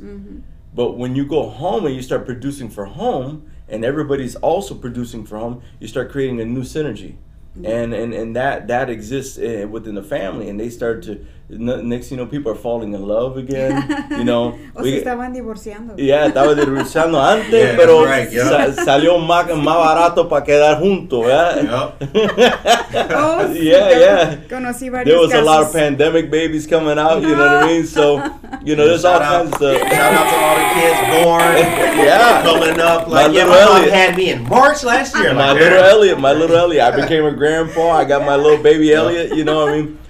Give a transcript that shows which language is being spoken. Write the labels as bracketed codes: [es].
[en] Mm-hmm. But when you go home and you start producing for home, and everybody's also producing for home, you start creating a new synergy. Mm-hmm. And that exists within the family. And they start to, next you know, people are falling in love again, you know. [es] Estaban divorciando. Yeah, estaban divorciando antes, pero salió más barato para quedar juntos. [en] Oh, yeah, yeah. [es] Conocí varios [en] there was [es] casos. [en] A lot of pandemic babies coming out, you know what I mean? So, you know, there's all kinds of stuff. Shout out to all the kids born. Yeah. Coming up. Like, my little Elliot. Had me in March last year. My little Elliot. I became a grandpa. I got my little baby Elliot, you know what I mean?